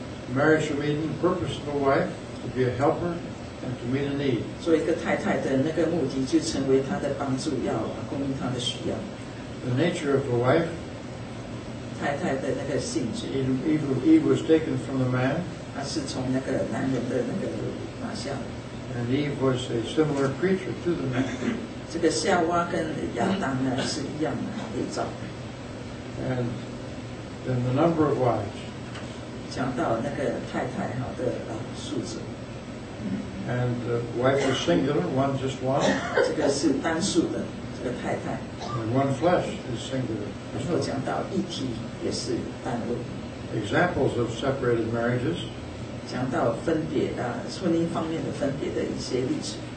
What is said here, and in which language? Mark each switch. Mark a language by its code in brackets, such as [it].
[en] Marriage should mean the purpose of a wife to be a helper and to meet a need. [zh] 做一个太太的那个目的就成为她的帮助，要供应她的需要。 [en] The nature of a wife. [zh] 太太的那个性质 [en] Eve was taken from the man. [zh] 她是从那个男人的那个拿下。 [en] And Eve was a similar creature to the man. [zh] 这个夏娃跟亚当呢是一样的被造。 [en] And then the number of wives. [zh] 讲到那个太太好的数字。 [en] And the wife was singular, one just one. [zh] 这个是单数的。这个太太 [en] And one flesh is singular. [zh] 然后讲到一体也是单位。 [en] Examples of separated marriages. [zh] 讲到分别啊，婚姻方面的分别的一些例子。